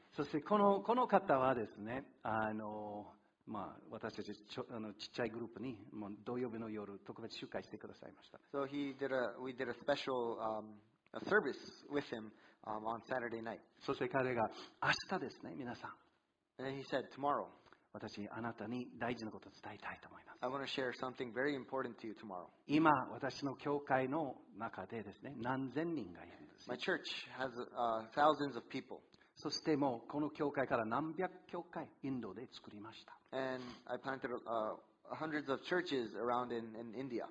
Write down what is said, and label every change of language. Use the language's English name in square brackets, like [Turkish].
[Japanese] そしてこの方はですね、まあ、私たち ちっちゃいグループにもう土曜日の夜特別集会してくださいました。 [English] So we did a special service with him. On Saturday night. [Japanese] そして彼が明日ですね、皆さん。 [English] And he said, tomorrow, [Japanese] 私、あなたに大事なことを伝えたいと思います。 [English] I want to share something very important to you tomorrow. [Japanese] 今、私の教会の中でですね、何千人がいるんです。 [English] My church has thousands of people. [Japanese] そしてもうこの教会から何百教会、インドで作りました。 [English] And I planted hundreds of churches around in India.